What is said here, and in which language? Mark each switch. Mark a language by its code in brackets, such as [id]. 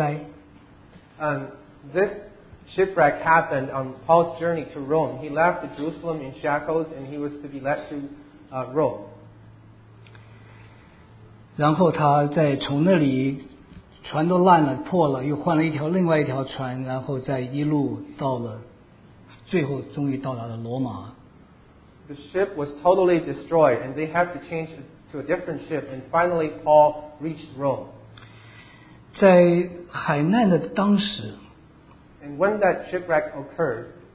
[zh] 在海难的时候，是因为保罗从耶路撒冷戴上了锁链，一路被押到罗马的这一段路上，经过了马耳他岛，因为遇到风灾。 [en] This shipwreck happened on Paul's journey to Rome. He left Jerusalem in shackles, and he was to be led to Rome. [zh] 然后他在从那里。船都烂了，破了，又换了一条另外一条船，然后再一路到了，最后终于到达了罗马。 [en] The ship was totally destroyed, and they had to change to a different ship, and finally Paul reached Rome. [zh] 在海难的当时， [en] and when that shipwreck occurred,